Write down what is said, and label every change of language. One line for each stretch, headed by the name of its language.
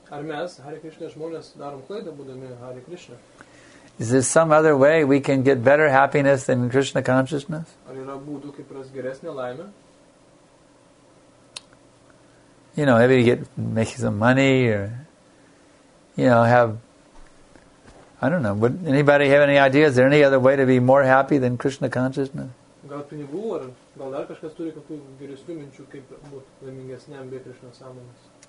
Lithuanian: Ar mes, Hare Krishna žmonės, darom klaidą, būdami Hare Krishna?
English: Is there some other way we can get better happiness than Krishna consciousness?
Lithuanian: Ar yra būdų, kaip ras geresnė laimė?
English: You know, maybe make some money or, you know, have, I don't know, would anybody have any ideas? Is there any other way to be more happy than Krishna consciousness?
Lithuanian: Gal pinigų, ar gal dar kažkas turi kokių geresnių minčių, kaip būt laimingesniam be Krishna sąmonės?